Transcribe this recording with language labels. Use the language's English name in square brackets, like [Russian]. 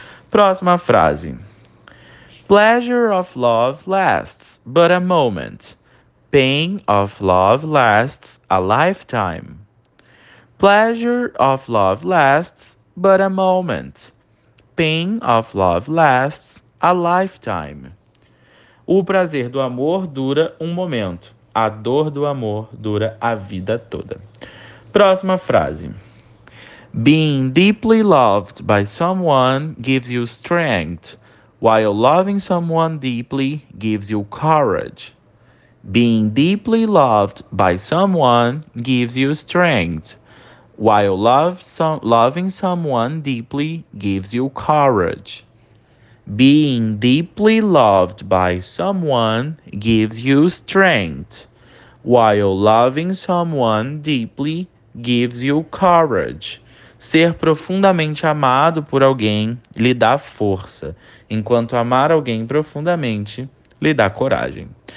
[Portuguese] Próxima frase. [English] Pleasure of love lasts but a moment. Pain of love lasts a lifetime. Pleasure of love lasts but a moment. Pain of love lasts a lifetime. [Portuguese] O prazer do amor dura um momento. A dor do amor dura a vida toda. Próxima frase. [English] Being deeply loved by someone gives you strength, while loving someone deeply gives you courage. Being deeply loved by someone gives you strength, while loving someone deeply gives you courage. Being deeply loved by someone gives you strength, while loving someone deeply gives you courage. [Portuguese] Ser profundamente amado por alguém lhe dá força, enquanto amar alguém profundamente lhe dá coragem.